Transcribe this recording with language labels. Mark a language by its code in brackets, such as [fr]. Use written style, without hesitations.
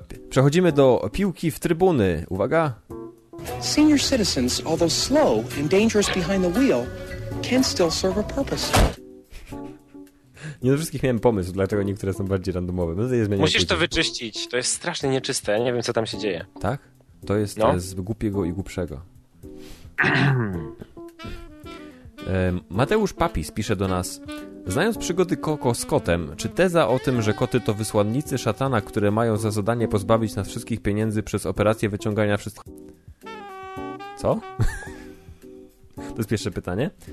[pl] Przechodzimy do piłki w trybuny. Uwaga! [en] Senior citizens, although slow and dangerous behind the wheel, can still serve a purpose. [pl] Nie do wszystkich miałem pomysł, dlaczego niektóre są bardziej randomowe. Musisz później to wyczyścić. To jest strasznie nieczyste. Nie wiem, co tam się dzieje. Tak? To jest no z głupiego i głupszego. Mateusz Papis pisze do nas: znając przygody Coco z kotem, czy teza o tym, że koty to wysłannicy szatana, które mają za zadanie pozbawić nas wszystkich pieniędzy przez operację wyciągania wszystkich... Co? To jest pierwsze pytanie.